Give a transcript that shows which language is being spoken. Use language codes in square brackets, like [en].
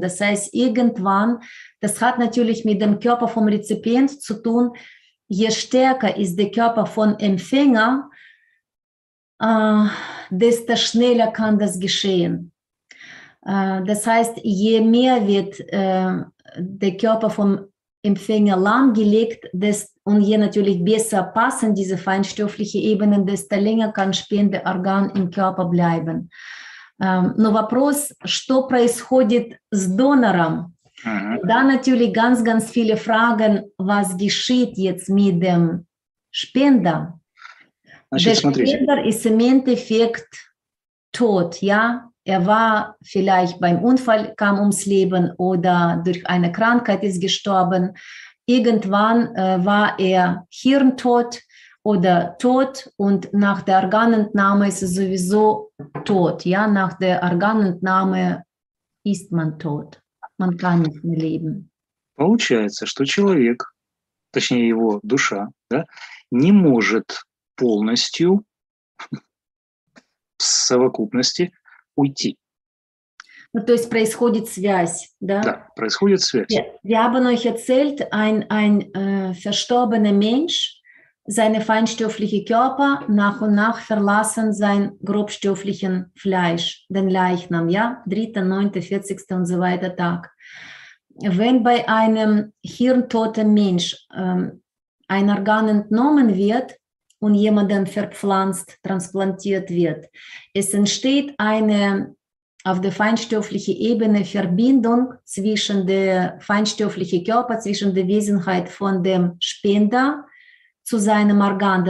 [de] Das heißt, irgendwann, das hat natürlich mit dem Körper vom Rezipient zu tun, je stärker ist der Körper von Empfänger, desto schneller kann das geschehen. Das heißt, je mehr wird der Körper vom Empfänger lahmgelegt, und je natürlich besser passen diese feinstofflichen Ebenen, desto länger kann Spendeorgan im Körper bleiben. [ru] Но вопрос, что происходит с донором? [de] Da natürlich ganz, ganz viele Fragen, was geschieht jetzt mit dem Spender? Spender ist im Endeffekt tot, ja? Er war vielleicht beim Unfall, kam ums Leben oder durch eine Krankheit ist gestorben. Irgendwann war er hirntot oder tot und nach der Organentnahme ist er sowieso tot. Ja? Nach der Organentnahme ist man tot. Man kann nicht mehr leben. [ru] Получается, что человек, точнее его душа, да, не может полностью в совокупности уйти. Ну, то есть происходит связь, да? Да, происходит связь. [de] Wir haben euch erzählt, ein verstorbener Mensch, seine feinstoffliche Körper nach und nach verlassen sein grobstofflichen Fleisch, den Leichnam, ja? 3., 9., 40. und so weiter Tag. Wenn bei einem hirntoten Mensch ein Organ entnommen wird und jemanden verpflanzt, transplantiert wird, es entsteht eine auf der feinstofflichen Ebene Verbindung zwischen der feinstofflichen Körper, zwischen der Wesenheit von dem Spender zu seinem Organ.